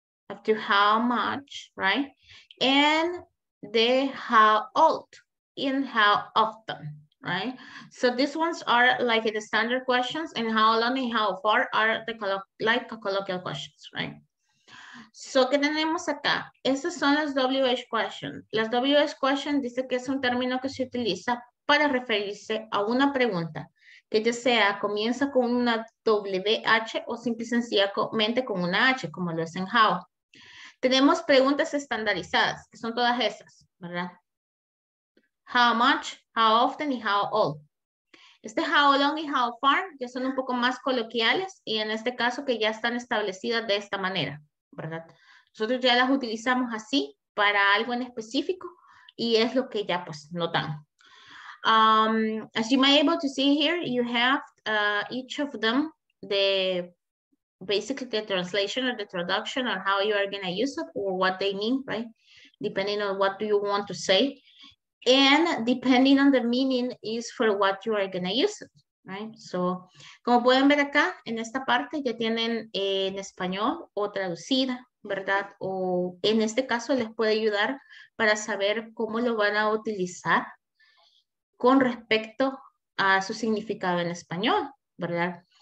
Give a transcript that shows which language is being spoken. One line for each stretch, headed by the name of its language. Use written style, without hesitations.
English: Up to how much, right? And the how old and how often, right? So these ones are like the standard questions, and how long and how far are the colloquial questions, right?
Spanish: So, ¿qué tenemos acá? Estas son las WH questions. Las WH questions dice que es un término que se utiliza para referirse a una pregunta, que ya sea comienza con una WH o simple y sencillamente con una H, como lo es en How. Tenemos preguntas estandarizadas, que son todas esas, ¿verdad? How much, how often y how old. Este how long y how far ya son un poco más coloquiales y en este caso que ya están establecidas de esta manera, ¿verdad? Nosotros ya las utilizamos así para algo en específico y es lo que ya pues notan.
English: As you may able to see here, you have each of them, the basically the translation or the traduction or how you are going to use it or what they mean, right? Depending on what do you want to say. And depending on the meaning is for what you are going to use it, right?
Spanish: So, como pueden ver acá, en esta parte ya tienen en español o traducida, ¿verdad? O en este caso les puede ayudar para saber cómo lo van a utilizar con respecto a su significado en español, ¿verdad?